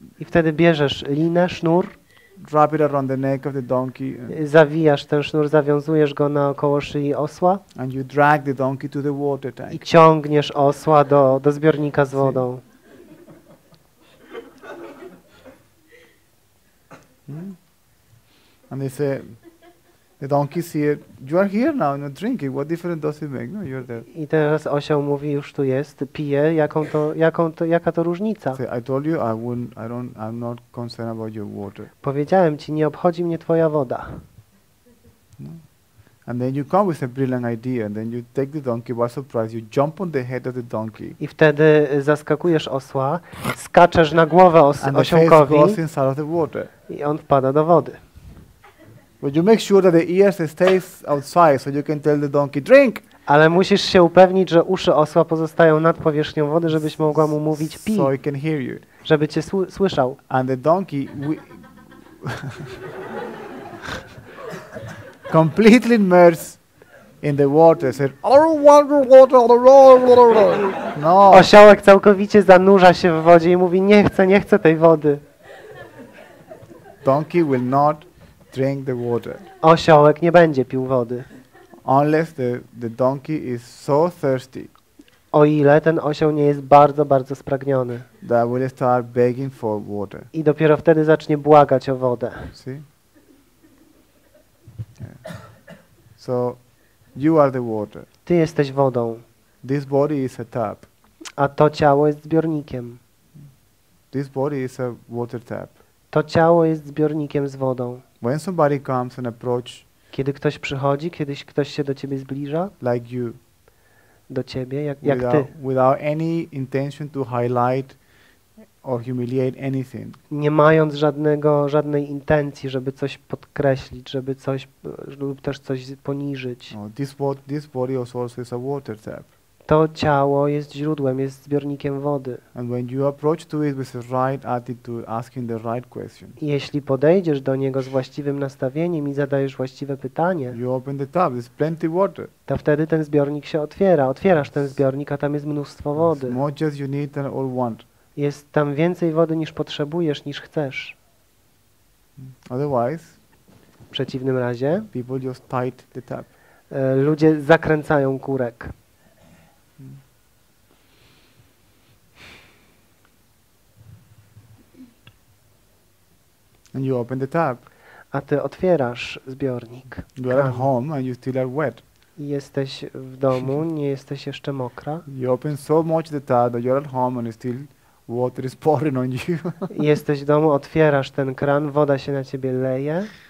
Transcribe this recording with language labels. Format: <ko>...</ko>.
<pl>I wtedy bierzesz linę, sznur.</pl> <en>Wrap it around the neck of the donkey.</en> <pl>Zawijasz ten sznur, zawiązujesz go naokoło szyi osła.</pl> <en>And you drag the donkey to the water tank.</en> <pl>I ciągniesz osła do zbiornika z wodą.</pl> <en>And they say, The donkey see it. You are here now, not drinking. What difference does it make? No, you're there.</en> <pl>I teraz osioł mówi, już tu jest, pije. Jaka to różnica?</pl> <en>See, I told you, I'm not concerned about your water.</en> <pl>Powiedziałem ci, nie obchodzi mnie twoja woda.</pl> <en>No. And then you come with a brilliant idea, and then you take the donkey by surprise, you jump on the head of the donkey.</en> <pl>I wtedy zaskakujesz osła, skaczesz na głowę osiołkowi.</pl> <en>And the face goes inside of the water.</en> <pl>I on wpada do wody.</pl> <en>But you make sure that the ears stay outside, so you can tell the donkey drink.</en> <pl>Ale musisz się upewnić, że uszy osła pozostają nad powierzchnią wody, żebyś mogła mu mówić pi.</pl> <en>So he can hear you.</en> <pl>Żeby cię słyszał.</pl> <en>And the donkey completely immersed in the water. Said, "Oh, water, water, water, water." No.</en> <pl>Osiołek całkowicie zanurza się w wodzie i mówi: nie chcę tej wody.</pl> <en>Donkey will not drink the water.</en> <pl>Osiołek nie będzie pił wody.</pl> <en>Unless the donkey is so thirsty.</en> <pl>O ile ten osioł nie jest bardzo, bardzo spragniony.</pl> <en>That will start begging for water.</en> <pl>I dopiero wtedy zacznie błagać o wodę.</pl> <en>See? So, you are the water.</en> <pl>Ty jesteś wodą.</pl> <en>This body is a tap.</en> <pl>A to ciało jest zbiornikiem.</pl> <en>This body is a water tap.</en> <pl>To ciało jest zbiornikiem z wodą.</pl> <en>When somebody comes and approach,</en> <pl>kiedy ktoś przychodzi, kiedyś ktoś się do ciebie zbliża,</pl> <en>like you,</en> <pl>do ciebie,</pl> <en>without,</en> <pl>jak ty,</pl> <en>without any intention to highlight or humiliate anything.</en> <pl>Nie mając żadnej intencji, żeby coś podkreślić, żeby coś lub też coś poniżyć.</pl> <en>No, this body also is a water tap.</en> <pl>To ciało jest źródłem, jest zbiornikiem wody.</pl> <en>And when you approach to it with the right attitude, asking the right question.</en> <pl>Jeśli podejdziesz do niego z właściwym nastawieniem i zadajesz właściwe pytanie.</pl> <en>You open the tap, there's plenty water.</en> <pl>To wtedy ten zbiornik się otwiera. Otwierasz ten zbiornik, a tam jest mnóstwo wody.</pl> <en>It's more just you need than all want.</en> <pl>Jest tam więcej wody niż potrzebujesz, niż chcesz.</pl> <en>Otherwise,</en> <pl>w przeciwnym razie</pl> <en>people just tight the tap.</en> <pl>Ludzie zakręcają kurek.</pl> <en>And you open the tap.</en> <pl>A ty otwierasz zbiornik.</pl> <en>You are at home and you still are wet.</en> <pl>Jesteś w domu, nie jesteś jeszcze mokra.</pl> <en>You open so much the tap that you're at home and still water is pouring on you.</en> <pl>Jesteś w domu, otwierasz ten kran, woda się na ciebie leje.</pl>